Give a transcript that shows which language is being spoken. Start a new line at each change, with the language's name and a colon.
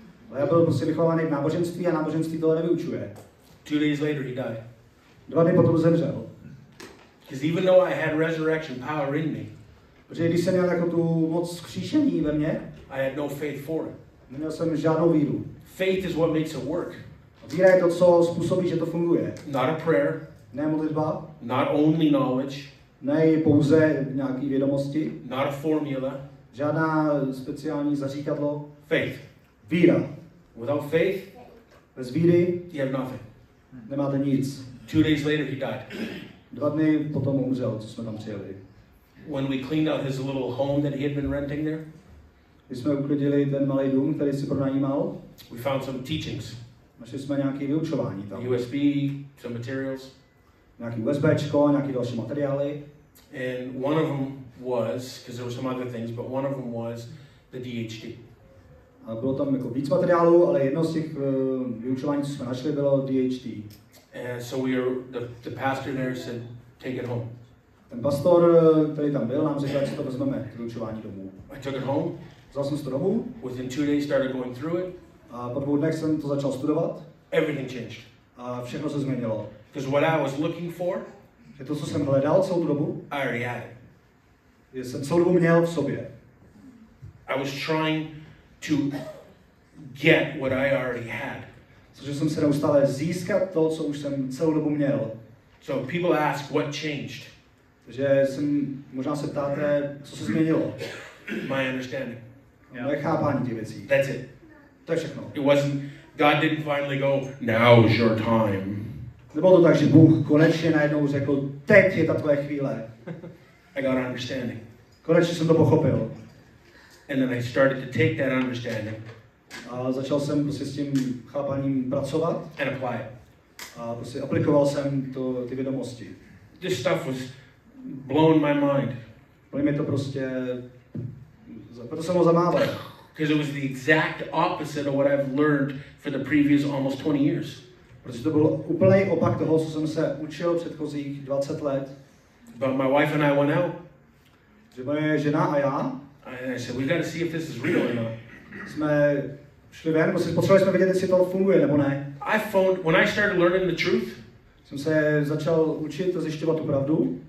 Czech: Ale já byl prostě vychovaný v náboženství a náboženství tohle nevyučuje.
English: 2 days later he died.
Czech: 2 dny potom zemřel.
English: Because even though I had resurrection power in me.
Czech: Protože když jsem měl jako tu moc vzkříšení ve mně.
English: I had no faith for it.
Czech: Neměl jsem žádnou víru.
English: Faith is what makes it work.
Czech: Víra je to, co způsobí, že to funguje.
English: Not a prayer.
Czech: Ne modlitba.
English: Not only knowledge.
Czech: Ne pouze nějaký vědomosti.
English: Not a formula.
Czech: Žádná speciální zaříkadlo.
English: Faith.
Czech: Víra.
English: Without faith.
Czech: Bez víry.
English: You have nothing.
Czech: Nemáte nic.
English: 2 days later he died.
Czech: 2 dny potom umřel, co jsme tam přijeli.
English: When we cleaned out his little home that he had been renting there.
Czech: Když jsme uklidili ten malý dům, který si pronajímal.
English: We found some teachings.
Czech: Našli jsme nějaké vyučování tam.
English: USB, some materials.
Czech: Nějaký USBčko, nějaký další materiály.
English: And one of them was, because there were some other things, but one of them was the DHT.
Czech: A bylo tam jako víc materiálů, ale jedno z těch vyučování, co jsme našli, bylo DHT.
English: And so the pastor there said, take it home.
Czech: Ten pastor, který tam byl, nám řekl, že to vezmeme, to vyučování domů.
English: I took it home.
Czech: Vzal jsem si to domů.
English: Within 2 days started going through it.
Czech: A po dvou dnech jsem to začal studovat.
English: Everything changed.
Czech: A všechno se změnilo.
English: Because what I was looking for,
Czech: že to, co jsem hledal celou tu dobu,
English: I already had it.
Czech: Že jsem celou dobu měl v sobě.
English: I was trying to get what I already had.
Czech: Takže jsem se neustále získat to, co už jsem celou dobu měl.
English: So people ask what changed.
Czech: Takže jsem, možná se ptáte, co se změnilo.
English: My understanding.
Czech: Moje chápání těch věcí.
English: That's it.
Czech: To je všechno.
English: It wasn't, God didn't finally go, now's your time.
Czech: Nebylo to tak, že Bůh konečně najednou řekl, teď je ta tvoje chvíle.
English: I got understanding.
Czech: Konečně jsem to pochopil.
English: And then I started to take that understanding.
Czech: A začal jsem prostě s tím chápaním pracovat.
English: And apply it.
Czech: A prostě aplikoval jsem to, ty vědomosti.
English: This stuff was blown my mind.
Czech: Pro mě to prostě, proto jsem ho zamával.
English: Because it was the exact opposite of what I've learned for the previous almost 20 years.
Czech: Protože to bylo úplný opak toho, co jsem se učil předchozích 20 let.
English: But my wife and I went out.
Czech: Že moje žena a já.
English: And I said, we've got to see if this is real or not.
Czech: Jsme šli ven, potřebovali jsme vidět, jestli to funguje nebo ne.
English: I phoned, when I started learning the truth,
Czech: jsem se začal učit a zjišťovat tu pravdu.